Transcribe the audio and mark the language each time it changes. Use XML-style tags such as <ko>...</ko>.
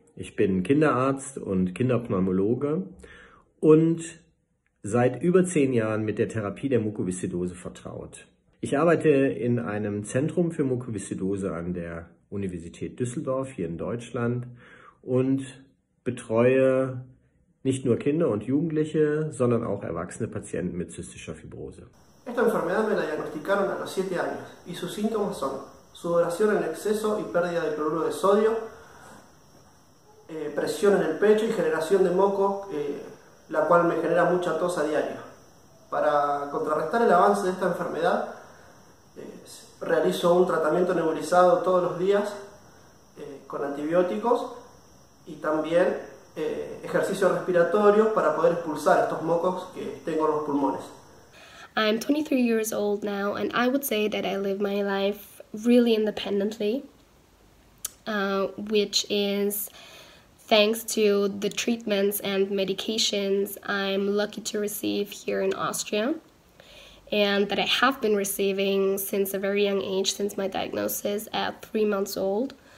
<de>Ich bin Kinderarzt und Kinderpneumologe und seit über 10 Jahren mit der Therapie der Mukoviszidose vertraut. Ich arbeite in einem Zentrum für Mukoviszidose an der Universität Düsseldorf hier in Deutschland und betreue nicht nur Kinder und Jugendliche, sondern auch erwachsene Patienten mit zystischer Fibrose.</de> <es>Esta enfermedad me la diagnosticaron a los 7 años y sus síntomas son sudoración en exceso y pérdida de cloruro de sodio, presión en el pecho y generación de moco, la cual me genera mucha tos a diario. Para contrarrestar el avance de esta enfermedad, realizo un tratamiento nebulizado todos los días con antibióticos y también ejercicios respiratorios para poder expulsar estos mocos que tengo en los pulmones.</es> <en>I'm 23 years old now, and I would say that I live my life really independently. which is thanks to the treatments and medications I'm lucky to receive here in Austria, and that I have been receiving since a very young age, since my diagnosis at 3 months old.</en>